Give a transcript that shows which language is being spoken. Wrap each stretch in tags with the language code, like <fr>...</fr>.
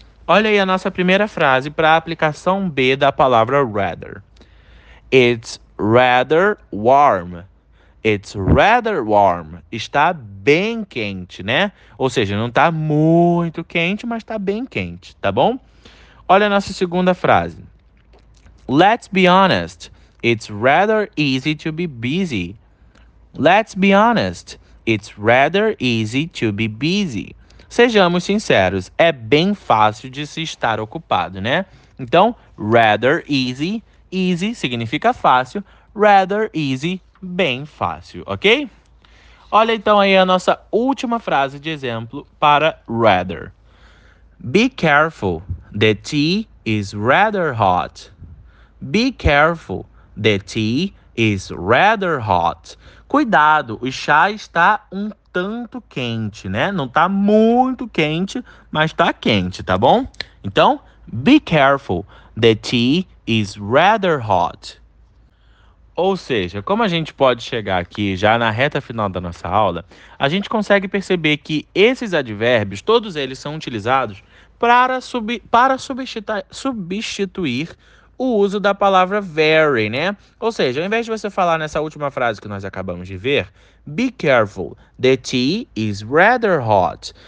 <pt>Olha aí a nossa primeira frase para a aplicação B da palavra rather.</pt> <en>It's rather warm. It's rather warm.</en> <pt>Está bem quente, né? Ou seja, não está muito quente, mas está bem quente, tá bom? Olha a nossa segunda frase.</pt> <en>Let's be honest, it's rather easy to be busy. Let's be honest, it's rather easy to be busy.</en> <pt>Sejamos sinceros, é bem fácil de se estar ocupado, né? Então, rather easy, easy significa fácil, rather easy, bem fácil, ok? Olha então aí a nossa última frase de exemplo para rather.</pt> <en>Be careful, the tea is rather hot. Be careful, the tea is rather hot.</en> <pt>Cuidado, o chá está um tanto quente, né? Não está muito quente, mas está quente, tá bom?</pt> <en>Então, be careful, the tea is rather hot.</en> <pt>Ou seja, como a gente pode chegar aqui já na reta final da nossa aula, a gente consegue perceber que esses advérbios, todos eles são utilizados para substituir o uso da palavra very, né? Ou seja, ao invés de você falar nessa última frase que nós acabamos de ver,</pt> <en>be careful, the tea is rather hot.</en>